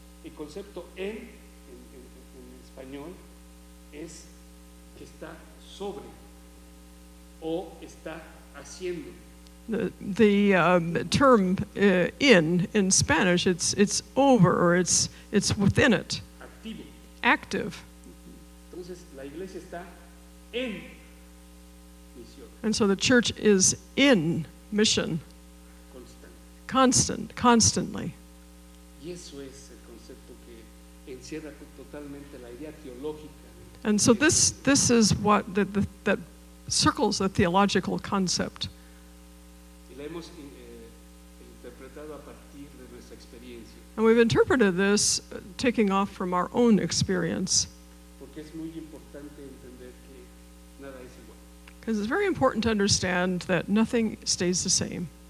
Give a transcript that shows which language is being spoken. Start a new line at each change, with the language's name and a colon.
Spanish: El concepto en español es que está sobre o está haciendo.
English: The term in Spanish, it's over or it's within it.
Spanish: Activo.
English: Active.
Spanish: Entonces, la iglesia está en misión.
English: And so the church is in mission. Constantly.
Spanish: Y eso es el concepto que encierra totalmente la idea teológica.
English: And so this is what that circles the theological concept. And we've interpreted this taking off from our own experience. Because it's very important to understand that nothing stays the same.